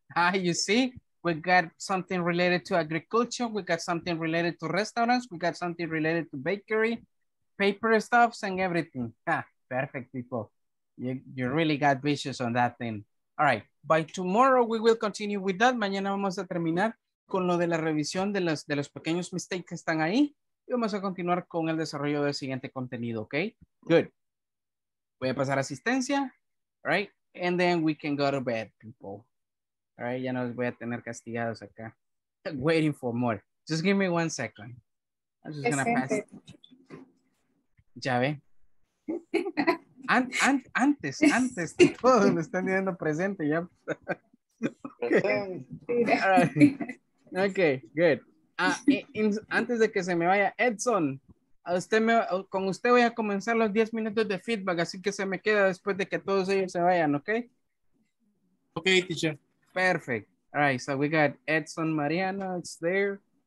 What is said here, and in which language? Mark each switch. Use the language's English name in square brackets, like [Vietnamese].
[English] Ah, you see, we got something related to agriculture, we got something related to restaurants, we got something related to bakery, paper stuffs, and everything. Ah, perfect, people. You really got vicious on that thing. All right, by tomorrow we will continue with that. [Spanish] Mañana vamos a terminar con lo de la revisión de los pequeños mistakes que están ahí. Y vamos a continuar con el desarrollo del siguiente contenido, okay? Good. Voy a pasar asistencia, [English] right? And then we can go to bed, people. All right, [Spanish] ya no los voy a tener castigados acá. [English] I'm waiting for more. Just give me one second. I'm just gonna pass. [Spanish] Ya ve. Antes, todos me están viendo presente ya. [English] Okay. All right. Okay, good. [Spanish] Antes de que se me vaya, Edson, con usted voy a comenzar los 10 minutos de feedback, así que se me queda después de que todos ellos se vayan, ¿ok? [English] Ok, teacher. Perfect. All right, so we got Edson Mariana, it's there.